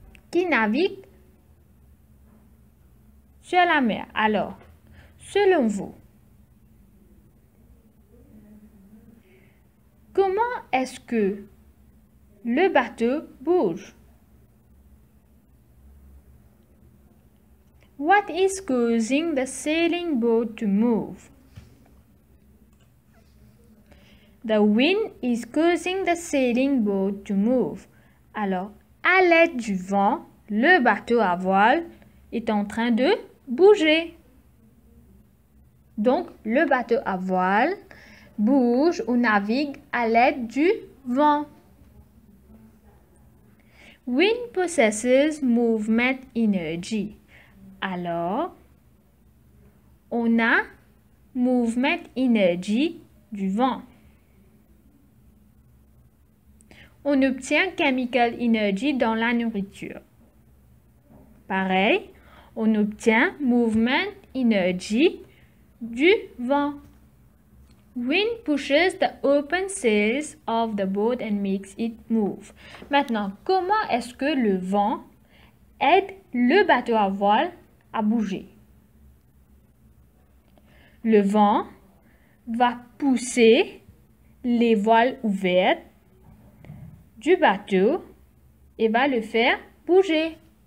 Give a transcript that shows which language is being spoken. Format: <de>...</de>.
<fr>Qui navigue sur la mer. Alors, selon vous, comment est-ce que le bateau bouge?</fr> <en>What is causing the sailing boat to move? The wind is causing the sailing boat to move.</en> <fr>Alors, à l'aide du vent, Le bateau à voile est en train de bouger. Donc, le bateau à voile bouge ou navigue à l'aide du vent.</fr> <en>Wind possesses movement energy.</en> <fr>Alors, on a movement energy du vent. On obtient chemical energy dans la nourriture. Pareil, on obtient movement energy du vent.</fr> <en>Wind pushes the open sails of the boat and makes it move.</en> <fr>Maintenant, comment est-ce que le vent aide le bateau à voile à bouger? Le vent va pousser les voiles ouvertes du bateau et va le faire bouger.</fr>